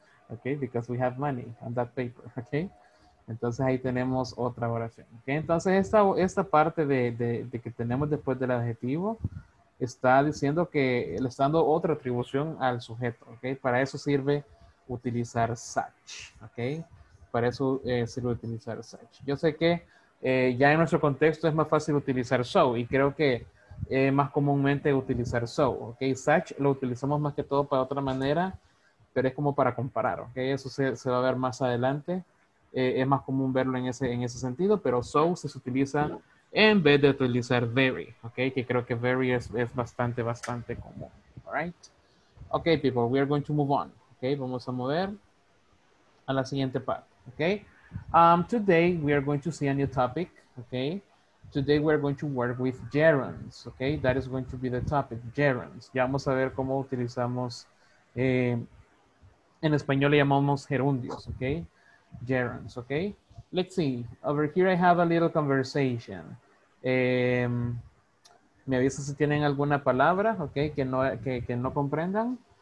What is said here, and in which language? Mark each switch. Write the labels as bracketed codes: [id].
[en] Okay, because we have money on that paper, okay? [es] Entonces, ahí tenemos otra oración. ¿Okay? Entonces, esta parte de que tenemos después del adjetivo está diciendo que le está dando otra atribución al sujeto. ¿Okay? Para eso sirve utilizar such. ¿Okay? Para eso sirve utilizar such. Yo sé que ya en nuestro contexto es más fácil utilizar so. Y creo que más comúnmente utilizar so. ¿Okay? Such lo utilizamos más que todo para otra manera. Pero es como para comparar. ¿Okay? Eso se va a ver más adelante. Es más común verlo en ese sentido, pero so se utiliza en vez de utilizar very, ok, que creo que very es bastante, bastante común, alright. [en] Ok, people, we are going to move on, ok, [es] vamos a mover a la siguiente parte, [en] ok. Today we are going to see a new topic, ok. Today we are going to work with gerunds, ok, that is going to be the topic, gerunds. [es] Ya vamos a ver cómo utilizamos, en español le llamamos gerundios, ok. [en] Gerunds, okay? Let's see. Over here I have a little conversation. [es] Me avisan si tienen alguna palabra, ok, que no comprendan.